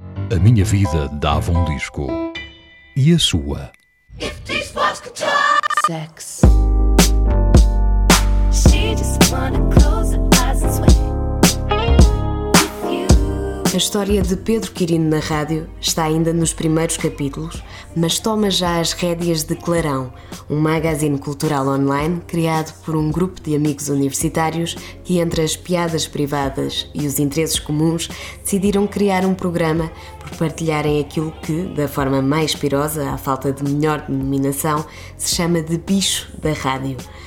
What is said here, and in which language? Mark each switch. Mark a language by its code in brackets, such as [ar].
[pt] A minha vida dava um disco. E a sua? [en] If these walls could talk. Sex. She just wanna close her eyes and sway. [pt] A história de Pedro Quirino na rádio está ainda nos primeiros capítulos, mas toma já as rédeas de Clarão, um magazine cultural online criado por um grupo de amigos universitários que, entre as piadas privadas e os interesses comuns, decidiram criar um programa por partilharem aquilo que, da forma mais pirosa, à falta de melhor denominação, se chama de bicho da rádio.